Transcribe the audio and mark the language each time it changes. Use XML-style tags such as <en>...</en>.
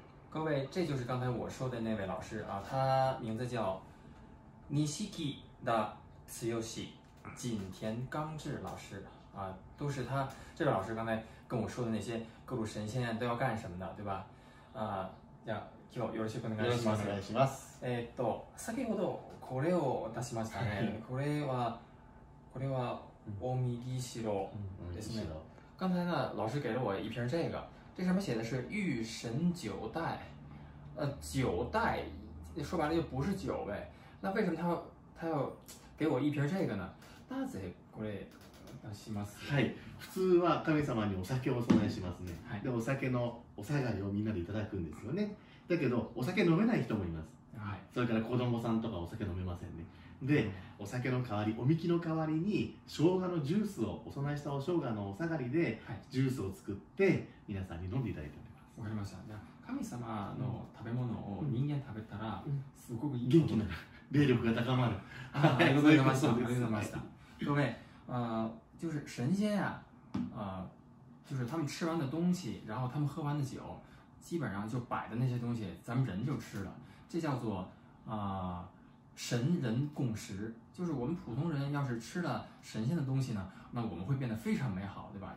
<zh>各位，这就是刚才我说的那位老师啊，他名字叫Nishiki da Tsuyoshi，锦田刚志老师啊，都是他。这位老师刚才跟我说的那些各路神仙都要干什么的，对吧？</zh> <ja>啊，じゃあ今日よろしくお願いします。よろしくお願いします。先ほどこれを出しましたね。これはおみぎしろですね。</ja> <zh>刚才呢，老师给了我一瓶这个，这上面写的是御神酒袋，酒袋说白了就不是酒呗。那为什么他要给我一瓶这个呢？</zh> <ja>なぜこれ出します。はい。普通は神様にお酒をお供えしますね。はい。でお酒のお下がりをみんなでいただくんですよね。だけどお酒飲めない人もいます。はい。それから子供さんとかお酒飲めませんね。で、お酒の代わり、おみきの代わりに生姜のジュースをお供えしたお生姜のお下がりでジュースを作って皆さんに飲んでいただいております。わかりました。じゃあ神様の食べ物を人間食べたらすごくいい、元気になる、霊力が高まる。ありがとうございました。ありがとうございました。</ja> <zh>各位，就是神仙啊，就是他们吃完的东西，然后他们喝完的酒，基本上就摆的那些东西，咱们人就吃了。这叫做神人共食，就是我们普通人要是吃了神仙的东西呢，那我们会变得非常美好，对吧？</zh>